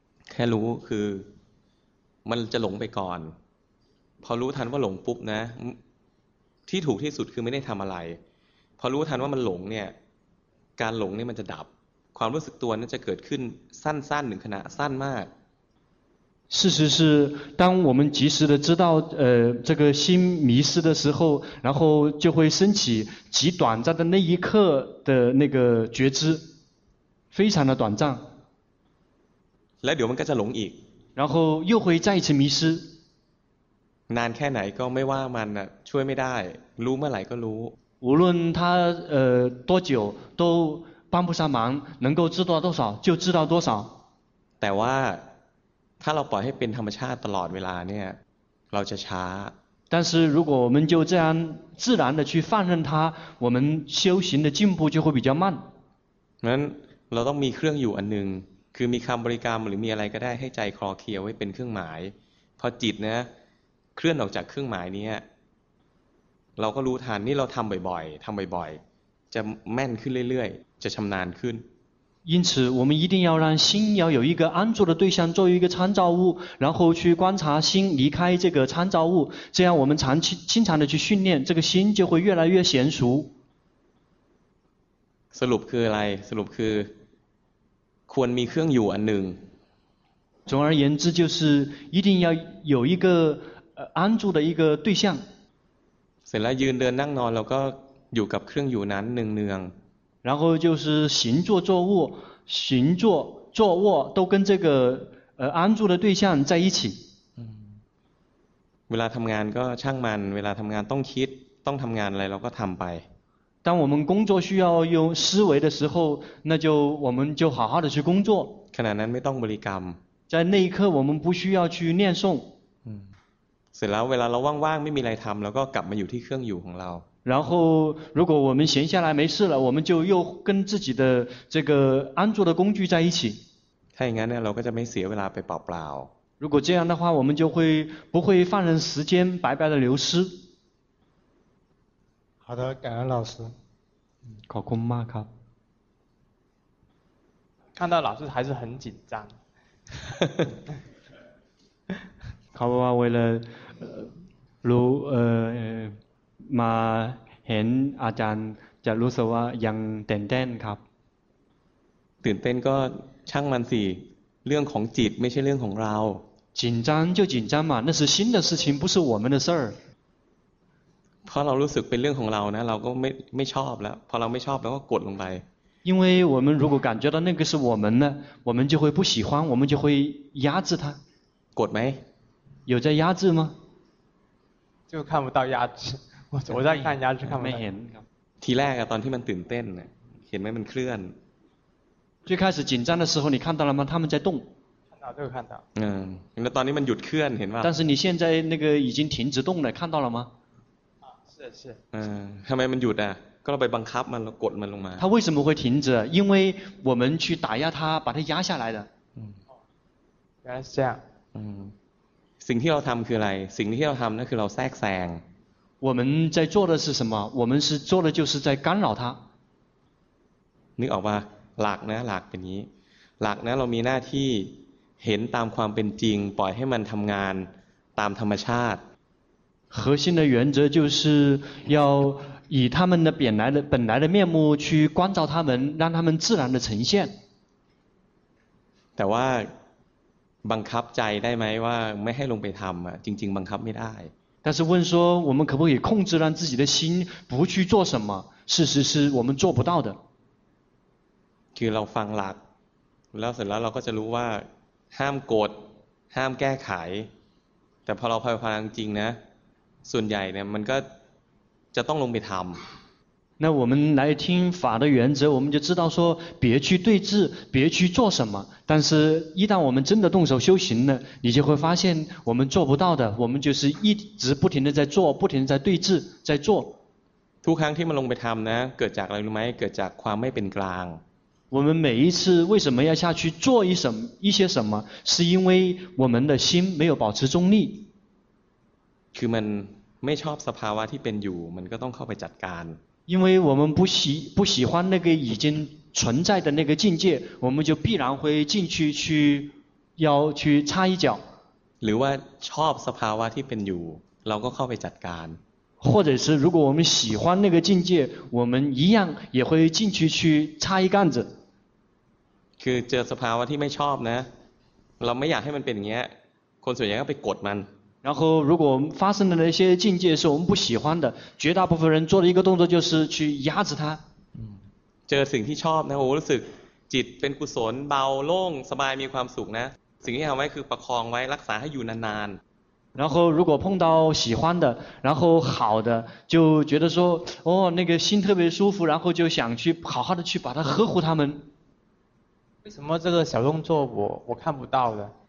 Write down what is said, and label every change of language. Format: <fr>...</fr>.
<th>แค่รู้คือมันจะหลงไปก่อนพอรู้ทันว่าหลงปุ๊บนะที่ถูกที่สุดคือไม่ได้ทำอะไรพอรู้ทันว่ามันหลงเนี่ยการหลงนี่มันจะดับความรู้สึกตัวนั้นจะเกิดขึ้นสั้นๆหนึ่งขณะสั้นมาก</th> <zh>事实是当我们及时的知道这个心迷失的时候然后就会升起极短暂的那一刻的那个觉知非常的短暂来留我们该再龙椅然后又会再一次迷失</zh> <th>难แค่ไหนก็ไม่ว่ามันช่วยไม่ได้รู้เมื่อไหร่ก็รู้</th> <zh>无论他多久都帮不上忙能够知道多少就知道多少</zh> <th>แต่ว่าถ้าเราปล่อยให้เป็นธรรมชาติตลอดเวลาเนี่ยเราจะช้า</th> <zh>但是如果我们就这样自然的去放任它我们修行的进步就会比较慢</zh> <th>นั้นเราต้องมีเครื่องอยู่อันหนึ่งคือมีคำบริกรรมหรือมีอะไรก็ได้ให้ใจคลอเคลียไว้เป็นเครื่องหมายพอจิตเนี่ยเคลื่อนออกจากเครื่องหมายนี้เราก็รู้ทันนี่เราทำบ่อยๆทำบ่อยๆจะแม่นขึ้นเรื่อยๆจะชำนาญขึ้น</th> <zh>因此我们一定要让心要有一个安住的对象作为一个参照物然后去观察心离开这个参照物这样我们长期经常的去训练这个心就会越来越娴熟</zh> <th>สรุปคืออะไรสรุปคือควรมีเครื่องอยู่อันหนึ่ง</th> <zh>总而言之就是一定要有一个安住的一个对象</zh> <th>เสร็จแล้วยืนเดินนั่งนอนเราก็อยู่กับเครื่องอยู่นั้นเนือง</th> <zh>然后就是行坐坐卧行坐坐卧都跟这个安住的对象在一起</zh> <th>เวลาทำงานก็ช่างมันเวลาทำงานต้องคิดต้องทำงานอะไรเราก็ทำไป</th> <zh>当我们工作需要用思维的时候那就我们就好好的去工作</zh> <th>ขณะนั้นไม่ต้องบริกรรม</th> <zh>在那一刻我们不需要去念诵</zh> <th>เสร็จแล้วเวลาเราว่างๆไม่มีอะไรทำเราก็กลับมาอยู่ที่เครื่องอยู่ของเรา</th> <zh>然后如果我们闲下来没事了我们就又跟自己的这个安住的工具在一起</zh> <th>ถ้าอย่างนั้นเนี่ยเราก็จะไม่เสียเวลาไปเปล่า</th> <zh>ๆ如果这样的话我们就会不会放任时间白白的流失好的感恩老师</zh> <th>ขอบคุณมากครับ</th> <zh>看到老师还是很紧张</zh> <th>เขาบอกว่าเวลารู้มาเห็นอาจารย์จะรู้สึกว่ายังตื่นเต้นครับ ตื่นเต้นก็ช่างมันสิเรื่องของจิตไม่ใช่เรื่องของเรา</th> <zh>紧张就紧张嘛那是新的事情不是我们的事儿</zh> <th>พอเรารู้สึกเป็นเรื่องของเรานะเราก็ไม่ชอบแล้วพอเราไม่ชอบแล้วก็กดลงไป</th> <zh>因为我们如果感觉到那个是我们的我们就会不喜欢我们就会压制它</zh> <th>กดไหม</th> <zh>有在压制吗就看不到压制我在看牙齿看不到</zh> <th>ทีแรกอะตอนที่มันตื่นเต้นเห็นไหมมันเคลื่อน</th> <zh>最开始紧张的时候你看到了吗他们在动看到就看到</zh> <th>เห็นแล้วตอนนี้มันหยุดเคลื่อนเห็นป่ะ</th> <zh>但是你现在那个已经停止动了看到了吗是是</zh> <th>ทำไมมันหยุดอะก็เราไปบังคับมันเรากดมันลงมา</th> <zh>它为什么会停止因为我们去打压它把它压下来的原来是这样</zh> <th>สิ่งที่เราทำคืออะไรสิ่งที่เราทำนั่นคือเราแทรกแซง</th> <zh>我们在做的是什么我们是做的就是在干扰他</zh> <th>นึกออกป่ะหลักนะหลักเป็นนี้หลักนะเรามีหน้าที่เห็นตามความเป็นจริงปล่อยให้มันทำงานตามธรรมชาติ</th> <zh>核心的原则就是要以他们的本来的面目去关照他们让他们自然的呈现</zh> <th>แต่ว่า บังคับใจได้ไหมว่าไม่ให้ลงไปทำอ่ะจริงๆบังคับไม่ได้</th> <zh>但是问说我们可不可以控制让自己的心不去做什么事实是我们做不到的</zh> <th>คือเราฟังหลักแล้วเสร็จแล้วเราก็จะรู้ว่าห้ามโกรธห้ามแก้ไขแต่พอเราพยายามจริงนะส่วนใหญ่เนี่ยมันก็จะต้องลงไปทำ</th> <zh>那我们来听法的原则，我们就知道说别去对峙，别去做什么。但是，一旦我们真的动手修行了，你就会发现我们做不到的，我们就是一直不停的在做，不停的在对峙，在做。</zh> <th>ทุกครั้งที่มันลงไปทำนะเกิดจากอะไรรู้ไหมเกิดจากความไม่เป็นกลาง</th> <zh>我们每一次为什么要下去做一些什么，是因为我们的心没有保持中立。</zh> <th>คือมันไม่ชอบสภาวะที่เป็นอยู่มันก็ต้องเข้าไปจัดการ</th> <zh>因为我们不喜欢那个已经存在的那个境界，我们就必然会进去去要去插一脚。</zh> <th>หรือว่าชอบสภาวะที่เป็นอยู่เราก็เข้าไปจัดการ</th> <zh>或者是如果我们喜欢那个境界，我们一样也会进去去插一杆子。</zh> <th>คือเจอสภาวะที่ไม่ชอบนะเราไม่อยากให้มันเป็นอย่างเงี้ยคนส่วนใหญ่ก็ไปกดมัน</th> <zh>然后如果发生的那些境界是我们不喜欢的绝大部分人做的一个动作就是去压制它</zh> <th>เจอสิ่งที่ชอบนะโอ้รู้สึกจิตเป็นกุศลเบาโล่งสบายมีความสุขนะสิ่งที่ทำไว้คือประคองไว้รักษาให้อยู่นาน</th> <zh>ๆ然后如果碰到喜欢的然后好的就觉得说哦那个心特别舒服然后就想去好好的去把它呵护它们为什么这个小动作我看不到的</zh>